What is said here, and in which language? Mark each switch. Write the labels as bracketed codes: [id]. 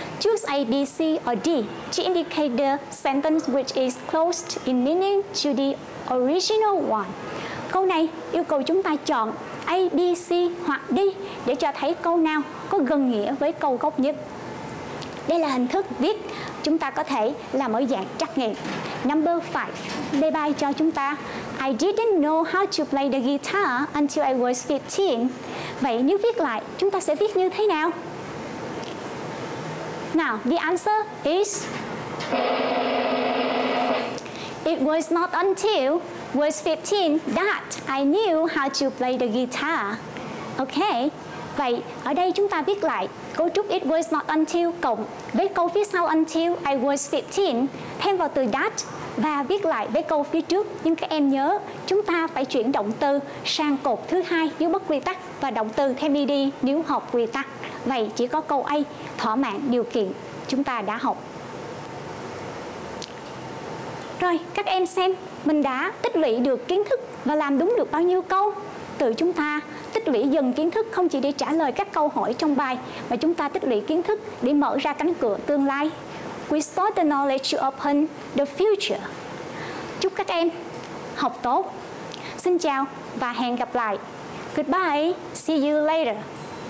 [en] Choose A, B, C or D to indicate the sentence which is closest in meaning to the original one. [vi] Câu này yêu cầu chúng ta chọn A, B, C hoặc D để cho thấy câu nào có gần nghĩa với câu gốc nhất. Đây là hình thức viết chúng ta có thể làm ở dạng trắc nghiệm. Number 5, đề bài cho chúng ta. [en] I didn't know how to play the guitar until I was 15. [vi] Vậy nếu viết lại, chúng ta sẽ viết như thế nào? [en] Now, the answer is it was not until I was 15 that I knew how to play the guitar. [vi] Okay, vậy ở đây chúng ta viết lại cấu trúc it was not until cộng với câu phía sau [en] until I was 15, [vi] thêm vào từ that và viết lại với câu phía trước. Nhưng các em nhớ, chúng ta phải chuyển động từ sang cột thứ hai nếu bất quy tắc và động từ thêm ed nếu học quy tắc. Vậy chỉ có câu A thỏa mãn điều kiện chúng ta đã học. Rồi, các em xem mình đã tích lũy được kiến thức và làm đúng được bao nhiêu câu. Tự chúng ta tích lũy dần kiến thức không chỉ để trả lời các câu hỏi trong bài, mà chúng ta tích lũy kiến thức để mở ra cánh cửa tương lai. [en] We store the knowledge to open the future. [vi] Chúc các em học tốt. Xin chào và hẹn gặp lại. [en] Goodbye. See you later.